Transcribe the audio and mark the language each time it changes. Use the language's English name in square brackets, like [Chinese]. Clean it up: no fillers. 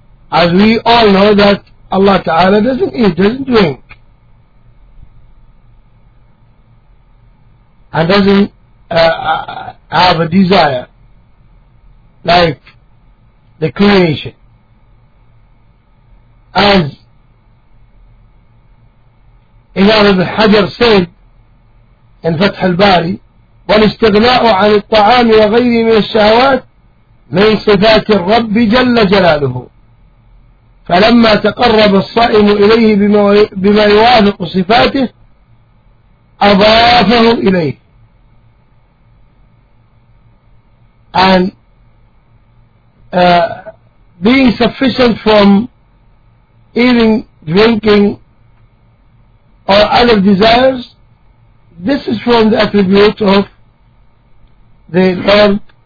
[English] As we all know that Allah Ta'ala doesn't eat, doesn't drink, and doesn't have a desire like the creation. As Imam Ibn Hajar said in Fath al-Bari, [Arabic] وَالِاسْتِغْنَاءُ عَنِ الطَّعَامِ وَغَيْرِ مِنَ الشَّهَوَاتِ مِنْ صِفَاتِ الرَّبِّ جَلَّ جَلَالُهُ فَلَمَّا تَقَرَّبَ الصَّائِمُ إِلَيْهِ بِمَا يُوَافِقُ صِفَاتِهِ أَضَافَهُ إِلَيْهِ. [English] And being sufficient from eating, drinking, or other desires, this is from the attribute of the Lord.